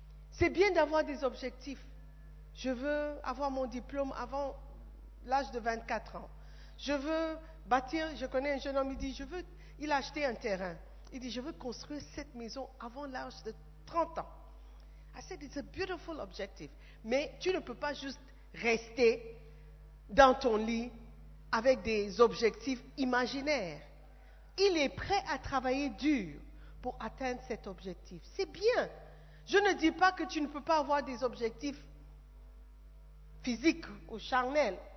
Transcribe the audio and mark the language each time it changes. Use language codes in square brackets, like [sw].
[fr] C'est bien d'avoir des objectifs. Je veux avoir mon diplôme avant l'âge de 24 ans. Je veux bâtir, je connais un jeune homme, il a acheté un terrain. Il dit, je veux construire cette maison avant l'âge de 30 ans. [en] I said, it's a beautiful objective. [fr] Mais tu ne peux pas juste rester dans ton lit avec des objectifs imaginaires. Il est prêt à travailler dur pour atteindre cet objectif. C'est bien. Je ne dis pas que tu ne peux pas avoir des objectifs physiques ou charnels.